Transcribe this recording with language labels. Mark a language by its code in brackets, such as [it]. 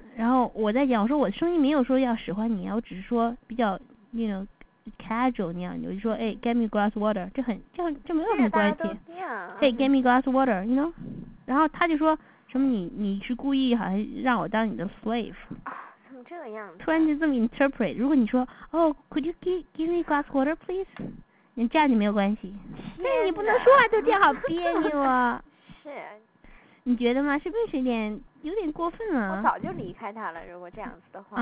[zh] 然后我在讲，我说我声音没有说要使唤你啊，我只是说比较 [en] you know casual [zh] 那样，我就说哎 [en] get me glass water， [zh] 这没有什么关系， [en] hey get me glass water， you know。 [zh] 然后他就说什么你是故意好像让我当你的 slave，怎么这个样子？突然就这么 interpret。如果你说哦 [en] could you give me glass water please， [zh] 你这样就没有关系。天哪，你不能说话就这样，好别扭啊。是，你觉得吗？是不是有点过分了？我早就离开他了，如果这样子的话。